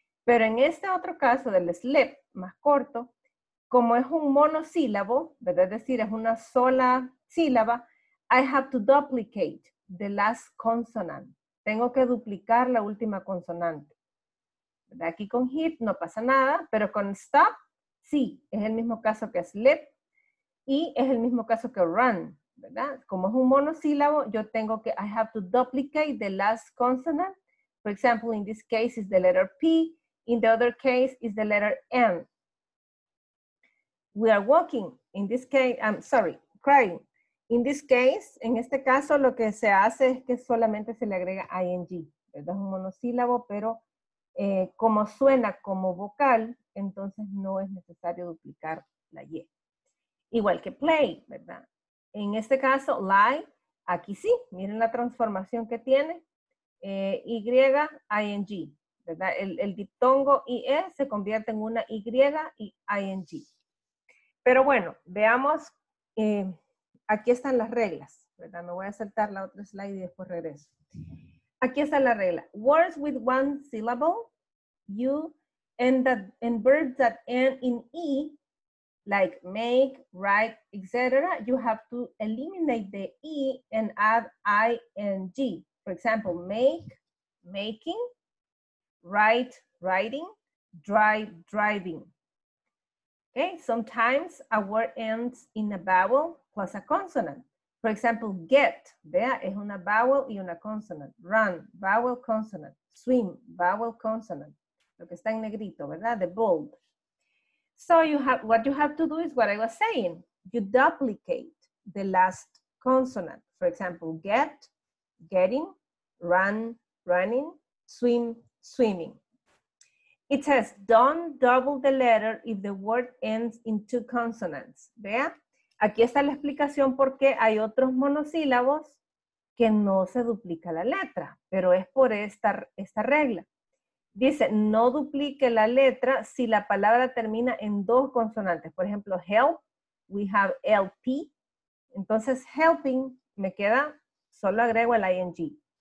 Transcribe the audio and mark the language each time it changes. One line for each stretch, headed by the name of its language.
Spanish: Pero en este otro caso del sleep, más corto, como es un monosílabo, ¿verdad? Es decir, es una sola sílaba,
English: I have to duplicate the last consonant.
Spanish: Tengo que duplicar la última consonante. ¿Verdad? Aquí con hit no pasa nada, pero con stop, sí, es el mismo caso que slip y es el mismo caso que run, ¿verdad? Como es un monosílabo, yo tengo que,
English: I have to duplicate the last consonant. For example, in this case is the letter P, in the other case is the letter M. We are walking, in this case, I'm sorry, crying. In this case,
Spanish: en este caso, lo que se hace es que solamente se le agrega ing. Es un monosílabo, pero como suena como vocal, entonces no es necesario duplicar la Y. Igual que play, ¿verdad? En este caso, lie, aquí sí, miren la transformación que tiene. Y-I-N-G, ¿verdad? El diptongo I-E se convierte en una Y-I-N-G. Pero bueno, veamos, aquí están las reglas, ¿verdad? Me voy a saltar la otra slide y después regreso. Aquí está la regla.
English: Words with one syllable, you end that, and verbs that end in E, like make, write, etc., you have to eliminate the E and add I-N-G. For example, make, making, write, writing, drive, driving. Okay, sometimes a word ends in a vowel plus a consonant. For example, get,
Spanish: vea, es una
English: vowel
Spanish: y una
English: consonant. Run, vowel, consonant. Swim, vowel, consonant.
Spanish: Lo que está en negrito, ¿verdad?
English: The bold. So you have, what you have to do is what I was saying. You duplicate the last consonant. For example, get, getting, run, running, swim, swimming. It says, don't double the letter if the word ends in two consonants.
Spanish: ¿Vea? Aquí está la explicación por qué hay otros monosílabos que no se duplica la letra, pero es por esta regla. Dice, no duplique la letra si la palabra termina en dos consonantes. Por ejemplo, help,
English: we have LP.
Spanish: Entonces, helping me queda, solo agrego el ING.